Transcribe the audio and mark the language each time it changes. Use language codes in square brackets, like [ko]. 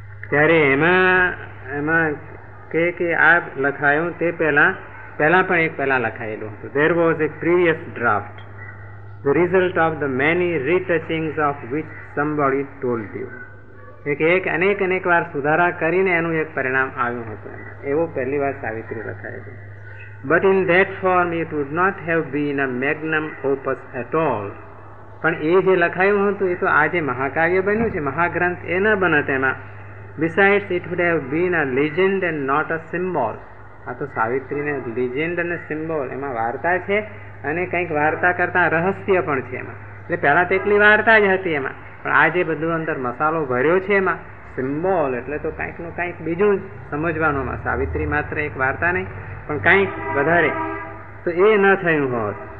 [gu] ત્યારે એમાં કે આ લખાયું તે પહેલાં પણ એક પહેલાં લખાયેલું હતું. [en] There was a previous draft, the result of the many retouchings of which somebody told you. [gu] એક અનેક વાર સુધારા કરીને એનું એક પરિણામ આવ્યું હતું એમાં, એવો પહેલી વાર સાવિત્રી લખાયેલું. [en] But in that form it would not have been a magnum opus at all. [gu] પણ એ જે લખાયું હતું એ તો આજે મહાકાવ્ય બન્યું છે, મહાગ્રંથ એ ના બનત એમાં. [en] Besides it would have been a legend and not a symbol. [gu] આ તો સાવિત્રીને લિજેન્ડ અને સિમ્બોલ એમાં વાર્તા છે, અને કંઈક વાર્તા કરતાં રહસ્ય પણ છે એમાં. એટલે પહેલાં તો એટલી વાર્તા જ હતી એમાં, પણ આ જે બધું અંદર મસાલો ભર્યો છે એમાં સિમ્બોલ, એટલે તો કંઈકનું કંઈક બીજું જ સમજવાનું એમાં. સાવિત્રી માત્ર એક વાર્તા નહીં પણ કંઈક વધારે, તો એ ન થયું હોત.